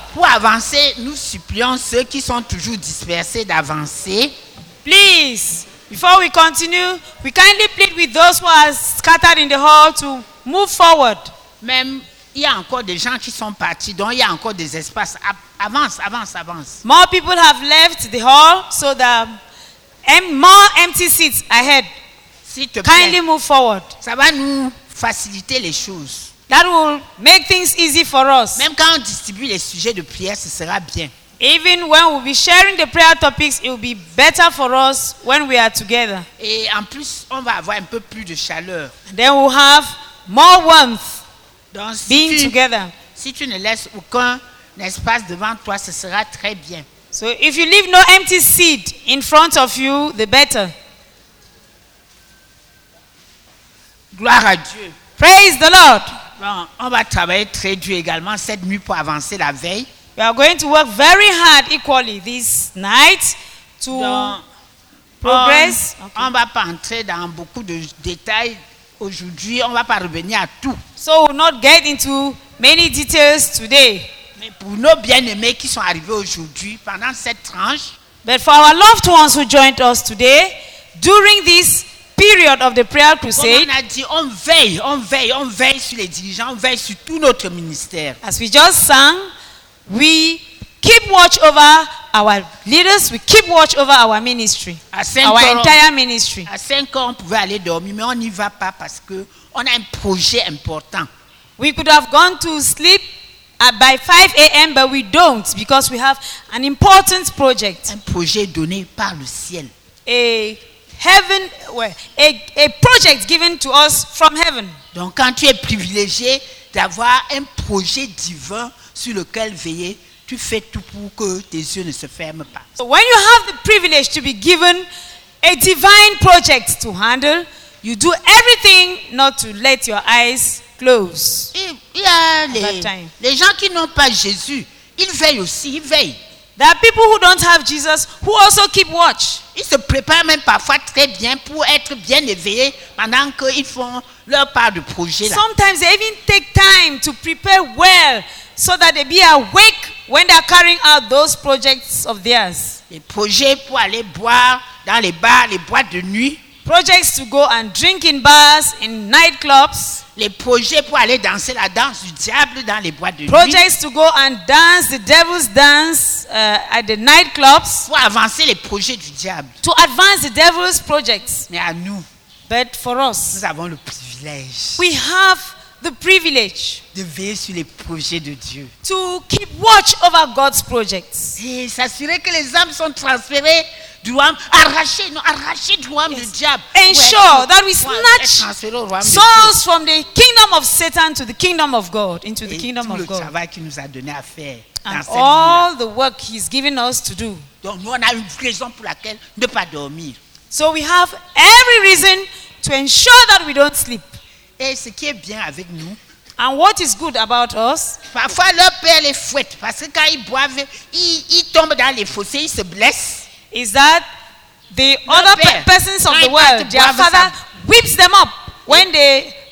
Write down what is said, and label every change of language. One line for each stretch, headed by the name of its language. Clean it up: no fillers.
French: Pour avancer, nous supplions ceux qui sont toujours dispersés d'avancer.
English: Please, before we continue, we kindly plead with those who are scattered in the hall to move forward.
French: Même il y a encore des gens qui sont partis, donc il y a encore des espaces. Avance, avance, avance.
English: More people have left the hall, so the more empty seats ahead.
French: S'il te plaît.
English: Kindly move forward.
French: Ça va nous faciliter les choses.
English: That will make things easy for us.
French: Même quand on distribue les sujets de prière, ce sera bien.
English: Even when we'll be sharing the prayer topics, it will be better for us when we are together.
French: Et en plus, on va avoir un peu plus de chaleur.
English: Then we'll have more warmth.
French: Donc, si
English: being
French: tu,
English: together.
French: Si tu ne laisses aucun espace devant toi, ce sera très bien.
English: So if you leave no empty seat in front of you, the better.
French: Gloire à Dieu.
English: Praise the Lord.
French: Bon, on va travailler très dur également cette nuit pour avancer la veille.
English: We are going to work very hard equally this night to progress. Okay.
French: On va pas entrer dans beaucoup de détails aujourd'hui. On va pas revenir à tout.
English: So we'll not get into many details today.
French: Mais pour nos bien-aimés qui sont arrivés aujourd'hui pendant cette tranche.
English: But for our loved ones who joined us today during this period of the prayer crusade.
French: Comme on a dit, on veille sur les dirigeants, on veille sur tout notre ministère.
English: As we just sang, we keep watch over our leaders, we keep watch over our ministry, our entire ministry.
French: À 5 heures, on pouvait aller dormir, mais on n'y va pas parce que on a un projet important.
English: We could have gone to sleep by 5 a.m., but we don't because we have an important project.
French: Un projet donné par le ciel.
English: A project given to us from heaven.
French: Donc, quand tu es privilégié d'avoir un projet divin sur lequel veiller, tu fais tout pour que tes yeux ne se ferment pas.
English: So when you have the privilege to be given a divine project to handle, you do everything not to let your eyes close.
French: Il y a les gens qui n'ont pas Jésus, ils veillent aussi, ils veillent.
English: There are people who don't have Jesus who also keep watch.
French: Ils se préparent même parfois très bien pour être bien éveillés pendant qu'ils font leur part de projet.
English: Sometimes they even take time to prepare well so that they be awake when they are carrying out those projects of theirs.
French: Les projets pour aller boire dans les bars, les boîtes de nuit.
English: Projects to go and drink in bars, in nightclubs.
French: Les projets pour aller danser la danse du diable dans les boîtes de nuit.
English: Projects to go and dance the devil's dance at the nightclubs.
French: Pour avancer les projets du diable.
English: To advance the devil's projects.
French: Mais à nous.
English: But for us.
French: Nous avons le privilège.
English: We have the privilege.
French: De veiller sur les projets de Dieu.
English: To keep watch over God's projects.
French: Et s'assurer que les âmes sont transférées. Arracher du royaume du diable.
English: Ensure that we snatch souls from the kingdom of Satan to the kingdom of God. Into the kingdom of God.
French: Et tout le travail qu'il nous a donné à faire.
English: And all the work he's given us to do.
French: Donc nous, on a une raison pour laquelle ne pas dormir.
English: So we have every reason to ensure that we don't sleep.
French: Et ce qui est bien avec nous.
English: And what is good about us?
French: Parfois, leur père les fouette parce que quand ils boivent, ils tombent dans les fossés, ils se blessent.
English: Is that the other persons of the world, their father whips them up when they